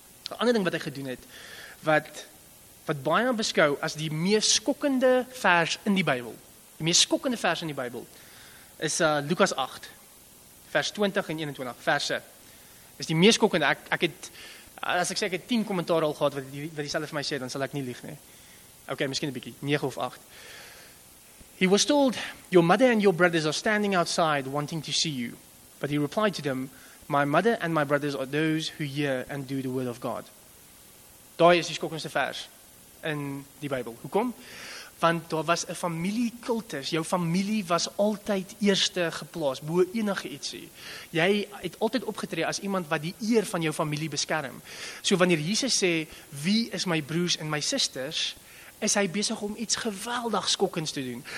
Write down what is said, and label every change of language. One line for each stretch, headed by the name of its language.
Afrikaans: 'N ander ding wat hy gedoen het, wat baie beskou as die mees skokkende vers in die Bybel, die mees skokkende vers in die Bybel, is Lukas 8, vers 20 en 21, verse. Is die mees skokkende, ek het, as ek sê ek het 10 kommentaar al gehad, wat die selfe vir my sê, dan sal ek nie lieg nie. Okay, miskien 'n bietjie, 9 of 8.
English: He was told, your mother and your brothers are standing outside wanting to see you. But he replied to them, my mother and my brothers are those who hear and do the will of God.
Afrikaans: Daai is die skokkendste vers in die Bybel. Hoekom? Want daar was 'n familiekultus, jou familie was altyd eerste geplaas, bo enige ietsie. Jy het altyd opgetree as iemand wat die eer van jou familie beskerm. So wanneer Jesus sê, wie is my broers en my susters, is hy besig om iets geweldig skokkends te doen.